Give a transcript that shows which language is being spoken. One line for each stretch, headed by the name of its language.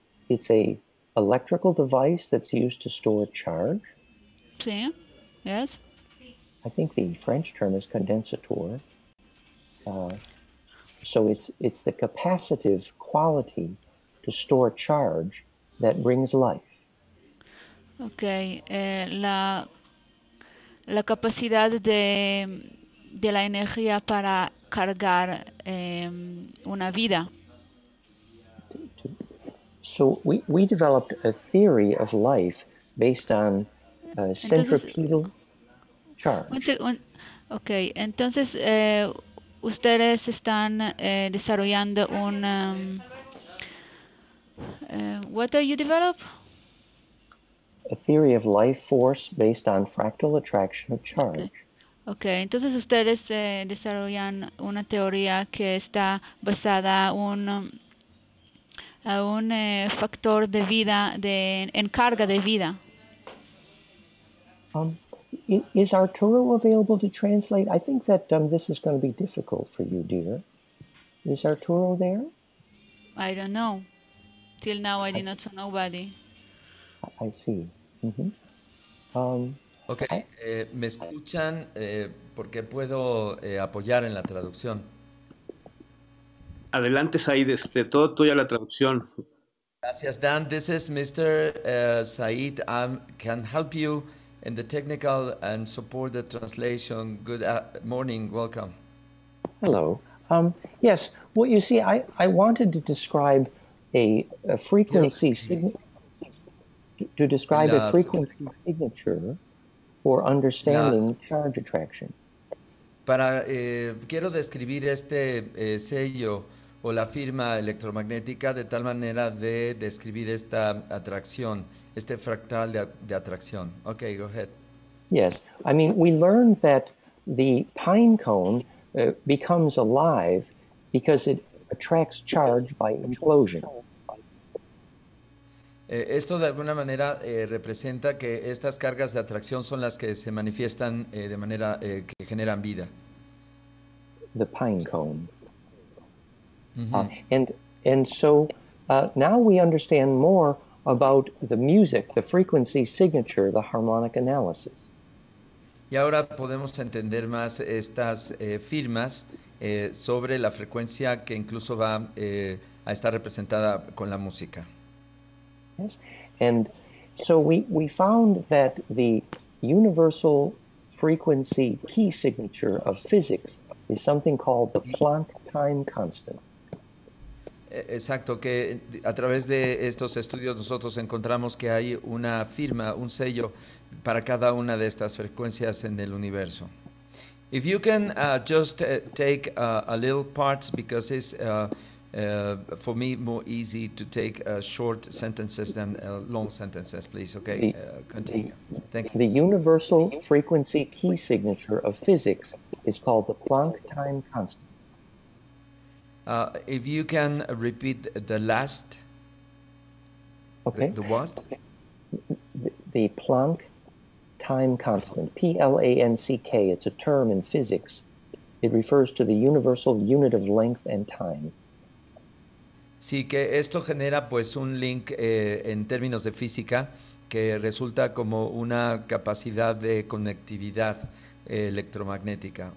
English: It's a electrical device that's used to store charge.
Spanish: Sí.
English: Yes. I think the French term is condensator. So it's the capacitive quality to store charge that brings life. Okay.
Spanish: La capacidad de la energía para cargar una vida.
English: So we developed a theory of life based on centripetal charge.
Spanish: Okay, entonces ustedes están desarrollando un...
English: what are you develop? A theory of life force based on fractal attraction of charge.
Spanish: Okay, entonces ustedes desarrollan una teoría que está basada a un factor de vida, de encarga de vida.
English: Is Arturo available to translate? I think that this is going to be difficult for you, dear. Is Arturo there? I don't know. Till now, I did not see nobody. I see. Mm-hmm. Okay.
Spanish: Me escuchan porque puedo apoyar en la traducción. Adelante, Said. Todo tuya la traducción. Gracias, Dan.
English: This is Mr. Said. I can help you in the technical and support the translation. Good morning. Welcome. Hello. Yes. Well, you see, I wanted to describe a frequency a frequency signature for understanding charge attraction.
Spanish: Para quiero describir este sello o la firma electromagnética de tal manera de describir esta atracción, este fractal de atracción.
English: Okay, go ahead. Yes, I mean, we learned that the pine cone becomes alive because it attracts charge by implosion.
Spanish: Esto de alguna manera representa que estas cargas de atracción son las que se manifiestan de manera que generan vida.
English: The pine cone. And so now we understand more about the music, the frequency signature, the harmonic analysis.
Spanish: Y ahora podemos entender más estas firmas sobre la frecuencia que incluso va a estar representada con la música.
English: Yes, and so we found that the universal frequency key signature of physics is something called the Planck time constant.
Spanish: Exacto, que a través de estos estudios nosotros encontramos que hay una firma, un sello para cada una de estas frecuencias en el universo.
English: If you can just take a little parts because it's for me more easy to take short sentences than long sentences, please. Okay, continue. Thank you. The universal frequency key signature of physics is called the Planck time constant. If you can repeat the last, okay. The what? Okay. The Planck time constant, P-L-A-N-C-K, it's a term in physics. It refers to the universal unit of length and time.
Spanish: Sí, que esto genera pues un link en términos de física que resulta como una capacidad de conectividad electromagnética.